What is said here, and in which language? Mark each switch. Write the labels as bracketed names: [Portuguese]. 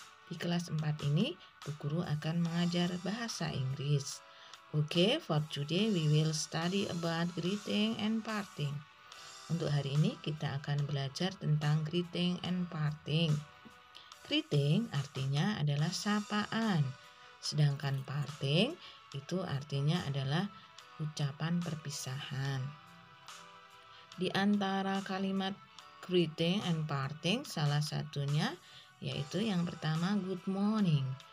[Indonesian] Di kelas 4 ini, Bu Guru akan mengajar bahasa Inggris. [English] Oke, for today we will study about greeting and parting. [Indonesian] Untuk hari ini, kita akan belajar tentang greeting and parting. Greeting artinya adalah sapaan. Sedangkan parting itu artinya adalah ucapan perpisahan. Di antara kalimat greeting and parting, salah satunya yaitu yang pertama good morning.